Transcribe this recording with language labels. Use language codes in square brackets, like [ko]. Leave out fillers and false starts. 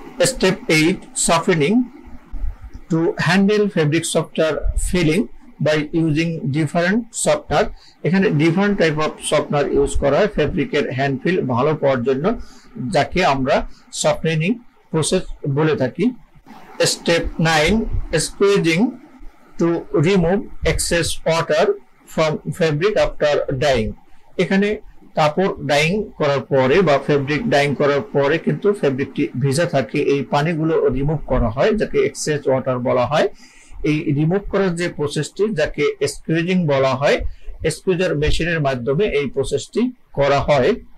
[en] Step eight, softening. To handle fabric softer feeling by using different softener. [bn] এখানে different type of softener use করা হয় ফেব্রিকের hand feel ভালো করার জন্য, যাকে আমরা সফটেনিং প্রসেস বলে থাকি। [en] step 9, squeezing to remove excess water from fabric after dyeing. [bn] এখানে কাপড় ডাইং করার পরে বা ফেব্রিক ডাইং করার পরে কিন্তু ফেব্রিকটি ভিজা থাকে, এই পানিগুলো রিমুভ করা হয় যাকে এক্সেস ওয়াটার বলা হয়। এই রিমুভ করার যে প্রসেসটি যাকে স্কুইজিং বলা হয়, স্কুইজার মেশিনের মাধ্যমে এই প্রসেসটি করা হয়।